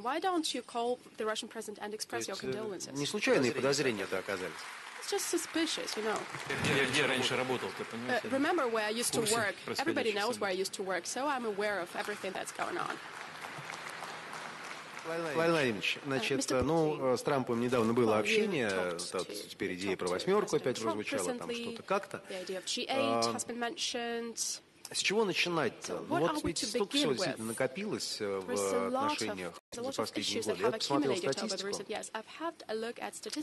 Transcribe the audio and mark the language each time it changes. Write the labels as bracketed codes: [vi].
[en] Why don't you call the Russian president and express your condolences? [ru] Не случайные подозрения это оказались. [en] It's just suspicious, you know. [ru] Где раньше работал, ты понимаешь? [en] Remember where I used to work. Everybody knows where I used to work, so I'm aware of everything that's going on. [ru] Владимир Владимирович, значит, ну, с Трампом недавно было общение, тут теперь идея про восьмерку опять прозвучала, там что-то как-то. [en] The idea of G8 has been mentioned. [ru] С чего начинать-то? Ну, вот ведь столько всего действительно накопилось в отношениях за последние годы. Я посмотрел статистику.